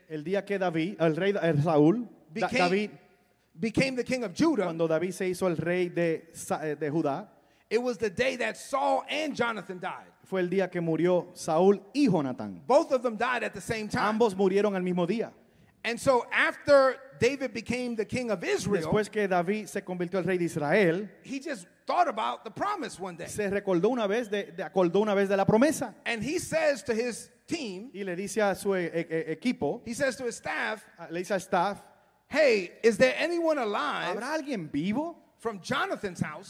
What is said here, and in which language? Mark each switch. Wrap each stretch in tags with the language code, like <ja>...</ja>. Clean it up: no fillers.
<es>el día que David, el rey el Saúl,</es> <en>became the king of Judah,</en> <es>cuando David se hizo el rey de Judá,</es> <en>it was the day that Saul and Jonathan died.</en> <es>Fue el día que murió Saúl y Jonathan.</es> <en>Both of them died at the same time.</en> <es>Ambos murieron al mismo día.</es> <en>And so after David became the king of Israel,</en> <es>después que David se convirtió el rey de Israel,</es> <en>he just thought about the promise one day.</en> <es>Se recordó una vez de la promesa.</es> <en>And he says to his team,</en> <es>y le dice a su equipo,</es> <en>he says to his staff,</en> <es>le dice al staff,</es> <en>hey, is there anyone alive,</en> <es>¿habrá alguien vivo,</es> <en>from Jonathan's house,</en>